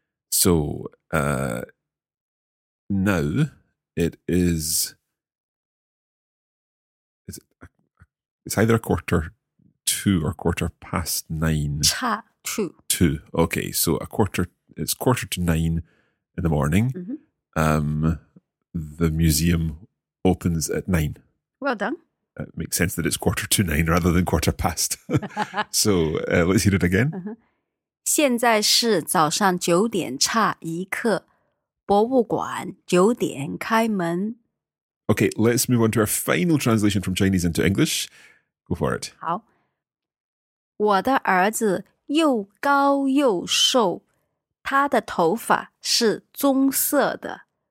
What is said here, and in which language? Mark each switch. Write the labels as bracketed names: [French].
[English] So now it's either a quarter to or quarter past nine. 差2. Okay, so it's quarter to nine in the morning. Mm-hmm. The museum opens at nine. Well done. It makes sense that it's quarter to nine rather than quarter past. So let's hear it again. [Chinese] 现在是早上九点差一刻，博物馆九点开门。 [English] Okay, let's move on to our final translation from Chinese into English. Go for it. [Chinese] 好。我的儿子又高又瘦，他的头发是棕色的。